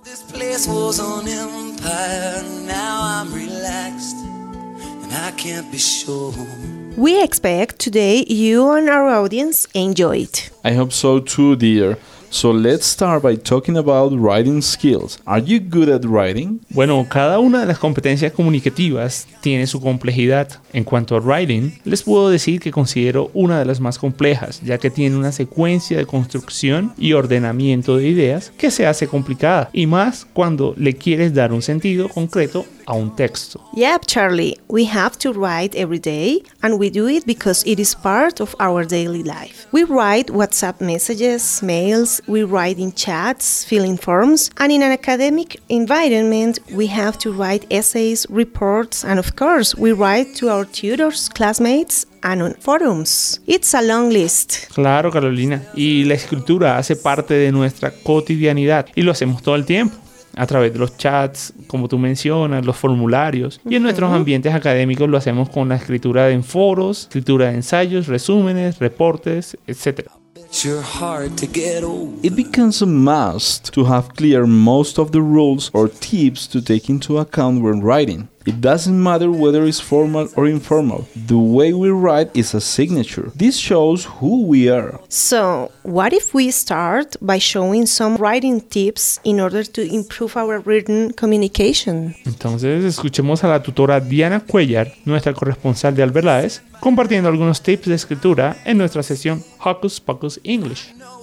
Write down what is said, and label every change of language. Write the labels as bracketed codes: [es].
[en] This place was on empire, now I'm relaxed. I can't be sure. We expect today you and our audience enjoy it. I hope so too, dear. So let's start by talking about writing skills. Are you good at writing? [es] Bueno, cada una de las competencias comunicativas tiene su complejidad. En cuanto a writing, les puedo decir que considero una de las más complejas, ya que tiene una secuencia de construcción y ordenamiento de ideas que se hace complicada, y más cuando le quieres dar un sentido concreto a un texto. [en] Yep, Charlie, we have to write every day, and we do it because it is part of our daily life. We write WhatsApp messages, mails, we write in chats, filling forms, and in an academic environment, we have to write essays, reports, and of course, we write to our tutors, classmates, and on forums. It's a long list. [es] Claro, Carolina. Y la escritura hace parte de nuestra cotidianidad y lo hacemos todo el tiempo. A través de los chats, como tú mencionas, los formularios. Y en nuestros ambientes académicos lo hacemos con la escritura en foros, escritura de ensayos, resúmenes, reportes, etc. [en] Your heart to get over. It becomes a must to have clear most of the rules or tips to take into account when writing. It doesn't matter whether it's formal or informal. The way we write is a signature. This shows who we are. So, what if we start by showing some writing tips in order to improve our written communication? [es] Entonces, escuchemos a la tutora Diana Cuellar, nuestra corresponsal de Alberláez, compartiendo algunos tips de escritura en nuestra sesión Hocus Pocus English.